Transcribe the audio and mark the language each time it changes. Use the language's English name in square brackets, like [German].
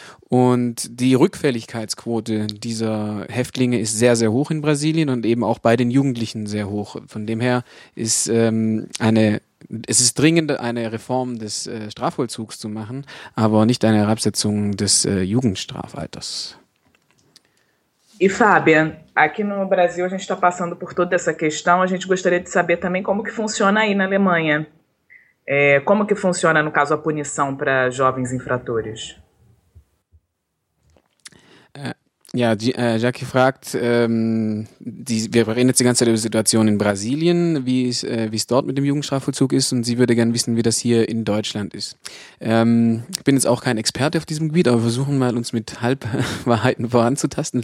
[German] Und die Rückfälligkeitsquote dieser Häftlinge ist sehr, sehr hoch in Brasilien und eben auch bei den Jugendlichen sehr hoch. Von dem her ist es ist dringend, eine Reform des Strafvollzugs zu machen, aber nicht eine Herabsetzung des Jugendstrafalters. [Portuguese] E Fabian, aqui no Brasil a gente está passando por toda essa questão. A gente gostaria de saber também como que funciona aí na Alemanha. Como que funciona, no caso, a punição para jovens infratores? [German] Ja, Jackie fragt, wir reden jetzt die ganze Zeit über die Situation in Brasilien, wie es dort mit dem Jugendstrafvollzug ist, und sie würde gerne wissen, wie das hier in Deutschland ist. Ich bin jetzt auch kein Experte auf diesem Gebiet, aber versuchen mal, uns mit Halbwahrheiten voranzutasten.